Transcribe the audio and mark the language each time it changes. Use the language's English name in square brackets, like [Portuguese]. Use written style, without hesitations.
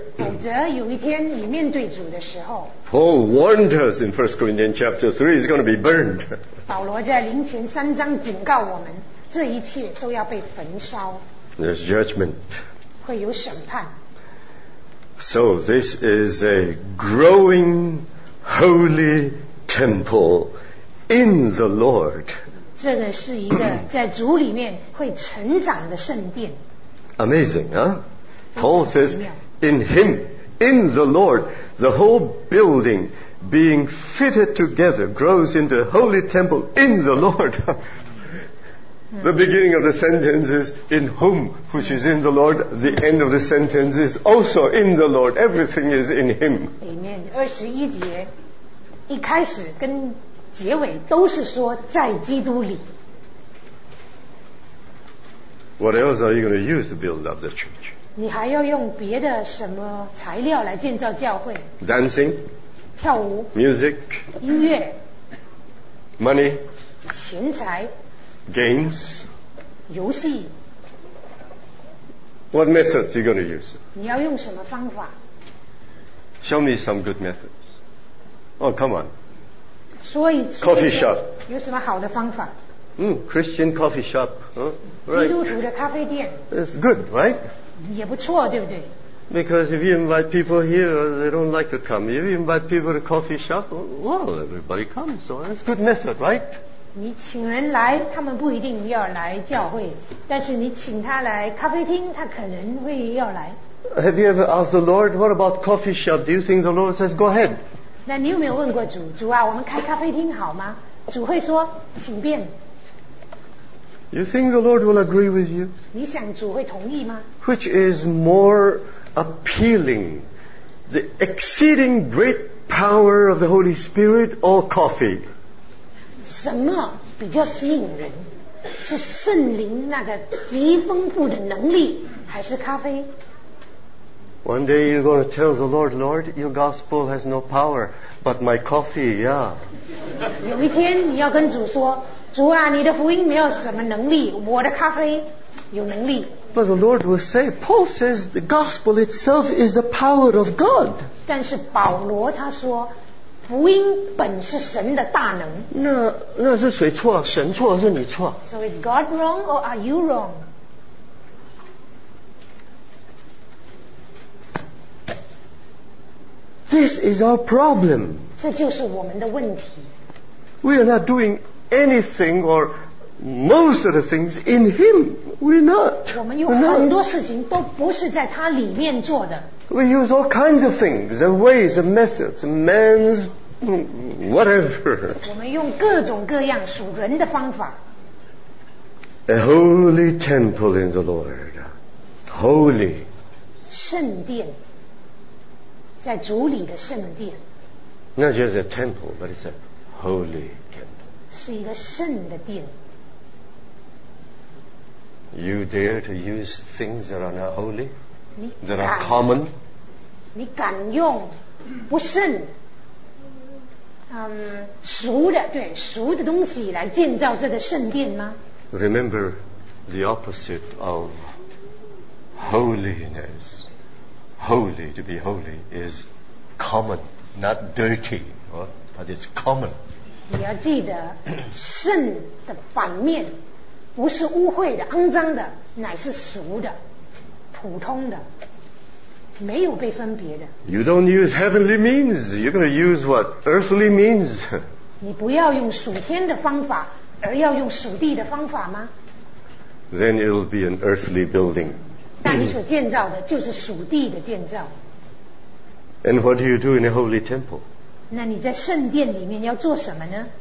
[Chinese] 否则有一天你面对主的时候。 [English] Paul warned us in 1 Corinthians chapter 3, he's going to be burned. [Chinese] 保罗在灵前三章警告我们，这一切都要被焚烧。 [English] There's judgment. [Chinese] 会有审判。 [English] So this is a growing holy temple in the Lord. [Chinese] 这个是一个在主里面会成长的圣殿。 [English] Amazing, huh? Paul says, in him, in the Lord, the whole building being fitted together grows into a holy temple in the Lord. The beginning of the sentence is in whom, which is in the Lord. The end of the sentence is also in the Lord. Everything is in him. Amen. [Chinese] 二十一节一开始跟结尾都是说在基督里。 [English] What else are you going to use to build up the church? [Chinese] 你还要用别的什么材料来建造教会 [English] ？Dancing， [Chinese] 跳舞 [English] ；Music， [Chinese] 音乐 [English] ；Money， [Chinese] 钱财 [English] ；Games， [Chinese] 游戏。 [English] What methods are you going to use? [Chinese] 你要用什么方法 [English] ？Show me some good methods. Oh, come on. [Chinese] 所以 [English] coffee shop. [Chinese] 有什么好的方法？ [English] Christian coffee shop. Right. [Chinese] 基督徒的咖啡店。 [English] It's good, right? [Chinese] 也不错，对不对？ [English] Because if you invite people here, they don't like to come. If you invite people to coffee shop, well, everybody comes. So that's a good method, right? [Chinese] 你请人来，他们不一定要来教会，但是你请他来咖啡厅，他可能会要来。 [English] Have you ever asked the Lord, what about coffee shop? Do you think the Lord says, go ahead? [Chinese] 那你有没有问过主？主啊，我们开咖啡厅好吗？主会说，请便。 [English] You think the Lord will agree with you? [Chinese] 你想主会同意吗？ [English] Which is more appealing, the exceeding great power of the Holy Spirit or coffee? [Chinese] 什么比较吸引人？是圣灵那个极丰富的能力，还是咖啡？ [English] One day you're going to tell the Lord, Lord, your gospel has no power, but my coffee, yeah. [Chinese] 有一天你要跟主说，主啊，你的福音没有什么能力，我的咖啡有能力。 [English] But the Lord will say, Paul says the gospel itself is the power of God. [Chinese] 但是保罗他说，福音本是神的大能。那是谁错？神错还是你错 [English] ？So is God wrong or are you wrong? This is our problem. [Chinese] 这就是我们的问题。 [English] We are not doing anything or most of the things in Him. We're not. [Chinese] 我们有很多事情都不是在他里面做的。 [English] We use all kinds of things and ways and methods, man's whatever. [Chinese] 我们用各种各样属人的方法。 [English] A holy temple in the Lord. Holy. [Chinese] 圣殿。在主里的圣殿 [English] Not just a temple, but it's a holy temple. [Chinese] 是一个圣的殿 [English] You dare to use things that are not holy? That are common? [Chinese] 你敢用不圣俗的东西来建造这个圣殿吗 [English] Remember the opposite of holiness. Holy, to be holy, is common, not dirty, but it's common. [Chinese] 你要记得，圣的反面不是污秽的、肮脏的，乃是俗的、普通的，没有被分别的。 [English] You don't use heavenly means, you're going to use what earthly means. [Chinese] 你不要用属天的方法，而要用属地的方法吗？ [English] then it will be an earthly building. [Chinese] 那你所建造的就是属地的建造。 [English] And what do you do in the holy temple? [Chinese] 那你在圣殿里面要做什么呢？